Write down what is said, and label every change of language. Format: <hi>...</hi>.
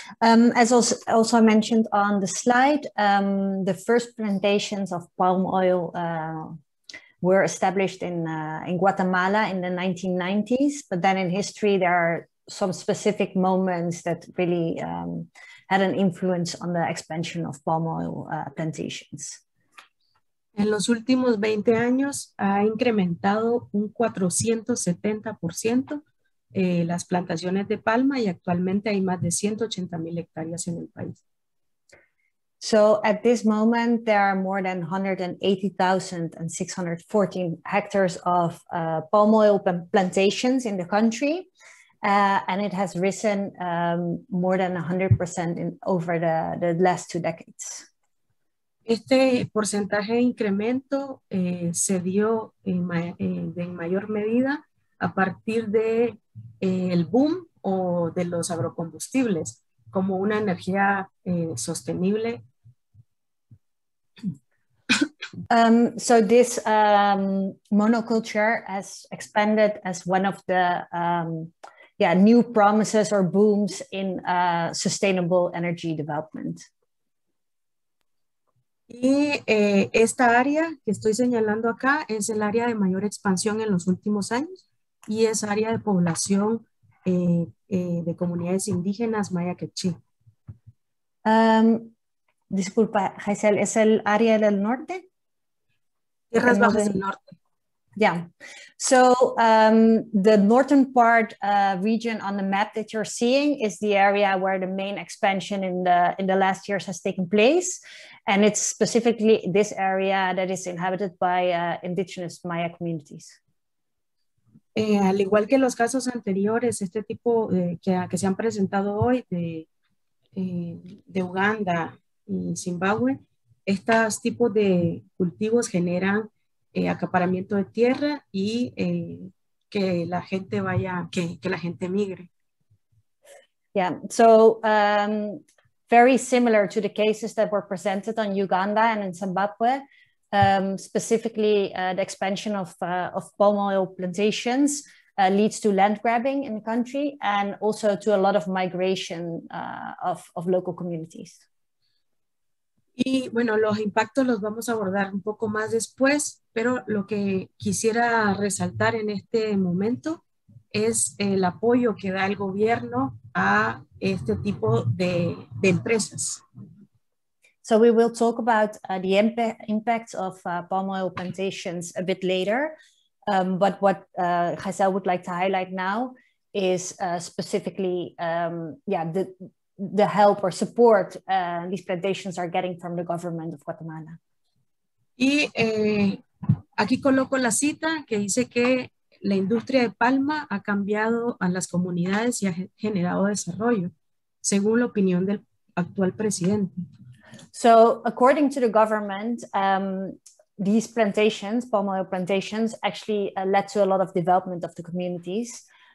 <en>As also mentioned on the slide, the first plantations of palm oil were established in Guatemala in the 1990s, but then in history there are some specific moments that really had an influence on the expansion of palm oil plantations.</en> <es>En los últimos 20 años ha incrementado un 470% las plantaciones de palma, y actualmente hay más de 180 mil hectáreas en el país.</es> <en>So at this moment there are more than 180,614 hectares of palm oil plantations in the country, and it has risen more than 100% in over the last two decades.</en> <es>Este porcentaje de incremento se dio en mayor medida a partir de el boom o de los agrocombustibles como una energía sostenible.</es> <en>So this monoculture has expanded as one of the new promises or booms in sustainable energy development.</en> <es>Y esta área que estoy señalando acá es el área de mayor expansión en los últimos años, y es área de población de comunidades indígenas maya quechí. Disculpa, Gheiselle, ¿es el área del norte? Tierras Bajas del Norte.</es> <en>Yeah, so the northern part region on the map that you're seeing is the area where the main expansion in the last years has taken place, and it's specifically this area that is inhabited by indigenous Maya communities.</en> <es>Al igual que los casos anteriores, este tipo que se han presentado hoy de Uganda y Zimbabwe, estos tipos de cultivos generan acaparamiento de tierra y que la gente migre.</es> <en>Yeah, so very similar to the cases that were presented on Uganda and in Zimbabwe, specifically the expansion of palm oil plantations leads to land grabbing in the country and also to a lot of migration of local communities.</en> <es>Y bueno, los impactos los vamos a abordar un poco más después, pero lo que quisiera resaltar en este momento es el apoyo que da el gobierno a este tipo de empresas.</es> <en>So we will talk about the impact of palm oil plantations a bit later, but what Gheiselle would like to highlight now is specifically the help or support these plantations are getting from the government of Guatemala.</en> <es>Y aquí coloco la cita que dice que la industria de palma ha cambiado a las comunidades y ha generado desarrollo, según la opinión del actual presidente.</es> <en>So according to the government, these plantations, palm oil plantations, actually led to a lot of development of the communities.</en>